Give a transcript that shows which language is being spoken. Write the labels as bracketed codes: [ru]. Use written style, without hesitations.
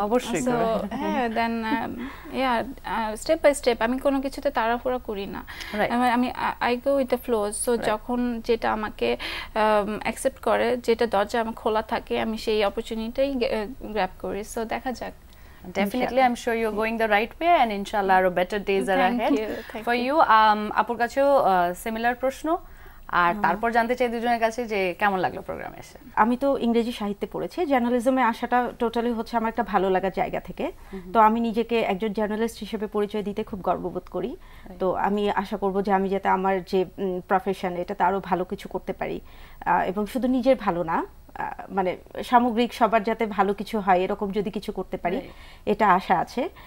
[bn] অবশ্যই করবে, হ্যাঁ, [en] then yeah step by step, [bn] আমি কোনো কিছুতে তাড়াহুড়া করি না, আমি [en] I go with the flow, [bn] so যখন যেটা আমাকে অ্যাকসেপ্ট করে, যেটা দরজা আমার খোলা থাকে, আমি সেই অপরচুনিটিটাই গ্র্যাব করি, সো দেখা যাক। [en] Definitely, I'm sure you're going the right way and inshallah, better days are ahead. Thank you. For you, [bn] apur kacheo similar proshno, আর তারপর জানতে চাই দুজনের কাছে যে কেমন লাগলো প্রোগ্রামে এসে। আমি তো ইংরেজি সাহিত্যে পড়েছি, জার্নালিজমে আসাটা টোটালি হচ্ছে আমার একটা ভালো লাগার জায়গা থেকে। তো আমি নিজেকে একজন জার্নালিস্ট হিসেবে পরিচয় দিতে খুব গর্ববোধ করি। তো আমি আশা করব যে আমি যাতে আমার যে প্রফেশন এটাতে আরও ভালো কিছু করতে পারি, এবং শুধু নিজের ভালো না, মানে সামগ্রিক সবার যাতে ভালো কিছু হয় এরকম যদি কিছু করতে পারি এটা আশা আছে।